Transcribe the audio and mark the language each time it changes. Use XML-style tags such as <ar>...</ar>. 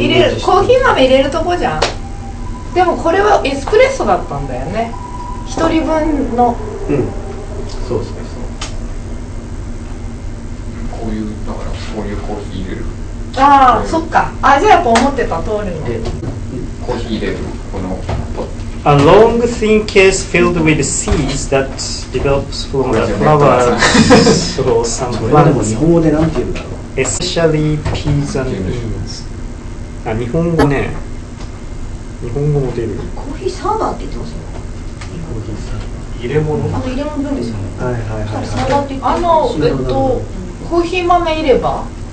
<ja>入れる、コーヒー豆入れるとこじゃん。でもこれはエスプレッソだったんだよね、一人分の。うん、そうそうそう、こういう、だからこういうコーヒー入れる。ああ、そっか、あ、じゃあやっぱ思ってた通りの、コーヒー入れるこの</ja> <en>A long thin case filled with seeds that develops from the flower</en> <ja>それでも日本語で何て言うんだろう。</ja> <en>Especially peas and beans。</en> <ja>あ、日本語ね、日本語も出る。コーヒーサーバーって言ってますよ。コーヒーサーバー、入れ物、あの入れ物分ですよね。はいはいはい、サーバーって言って、あの、コーヒー豆入れば</ja>